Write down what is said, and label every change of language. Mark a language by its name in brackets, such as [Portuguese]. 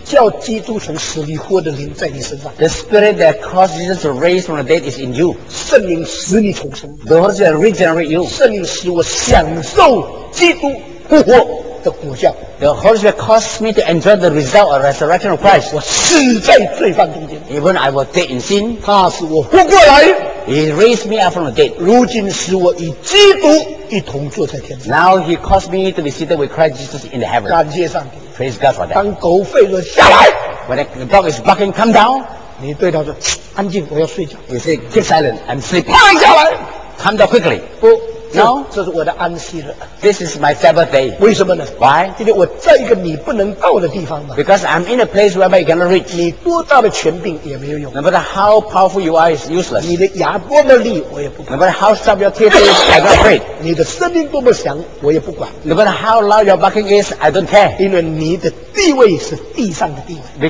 [Chinese] 叫基督从死里活的灵在你身上。 [English] The spirit that caused Jesus to raise from the dead is in you. [Chinese] 圣灵使你重生。 [English] The Holy Spirit regenerate you. [Chinese] 圣灵使我享受基督复活的果效。 [English] The Holy Spirit caused me to enjoy the result of the resurrection of Christ. [Chinese] 我死在罪犯中间。 [English] Even I was dead in sin. [Chinese] 他使我活过来。 [English] He raised me up from the dead. [Chinese] 如今使我与基督一同坐在天上。 [English] Now he caused me to be seated with Christ Jesus in the heaven. [Chinese] 感谢上帝。 [English] Praise God for that. [Chinese] 当狗吠了下来 [English] When the dog is barking, come down. [Chinese] 你对他说安静我要睡觉 [English] You say, keep silent, I'm sleeping. [Chinese] 放下来 [English] Come down quickly. [Chinese] 不 [English] No. [Chinese] 这是我的安息日 [English] This is my Sabbath day. [Chinese] 为什么呢 [English] Why? [Chinese] 因为我在一个你不能到的地方嘛 [English] Because I'm in a place where you cannot reach. [Chinese] 你多大的权柄也没有用 [English] No matter how powerful you are, it's useless. [Chinese] 你的牙多么利我也不管 [English] No matter how sharp your teeth is, I'm not afraid. [Chinese] 你的声音多么响我也不管 [English] No matter how loud your barking is, I don't care. [Chinese] 因为你的地位是地上的地位